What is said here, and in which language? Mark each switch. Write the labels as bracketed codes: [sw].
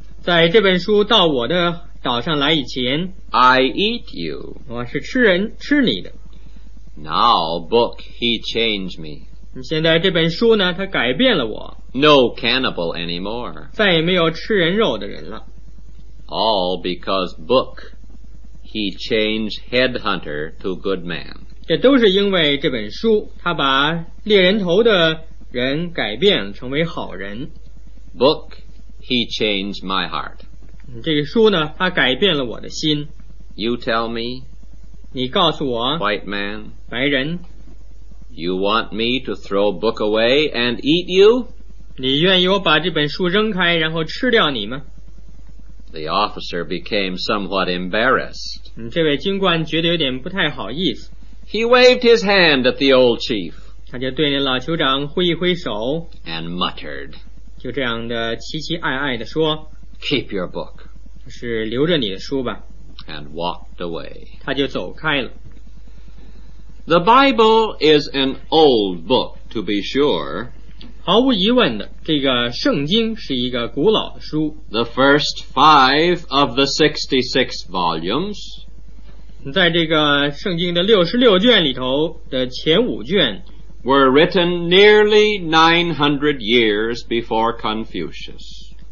[zh] 在这本书到我的岛上来以前 [en] I eat you. [zh] 我是吃人吃你的。 [en] Now book he changed me. [zh] 现在这本书呢它改变了我。 [en] No cannibal anymore. [zh] 再也没有吃人肉的人了。 [en] All because book he changed headhunter to good man. [zh] 这都是因为这本书它把猎人头的人改变成为好人。 [en] Book he changed my heart. [zh] 这个书呢它改变了我的心。 [en] You tell me, [zh] 你告诉我 [en] White man, [zh] 白人 [en] You want me to throw book away and eat you? [zh] 你愿意我把这本书扔开然后吃掉你吗？ [en] The officer became somewhat embarrassed. [zh] 这位军官觉得有点不太好意思。 [en] He waved his hand at the old chief. [zh] 他就对那老酋长挥一挥手。 [en] And muttered. [zh] 就这样的奇奇爱爱地说。 [en] Keep your book. [zh] 是留着你的书吧。 [en] And walked away. [zh] 他就走开了。 [en] The Bible is an old book, to be sure. [zh] 毫无疑问的，这个圣经是一个古老的书。 [en] The first five of the 66 volumes. [zh] 在这个圣经的66卷里头的前五卷 [en] were written nearly 900 years before Confucius.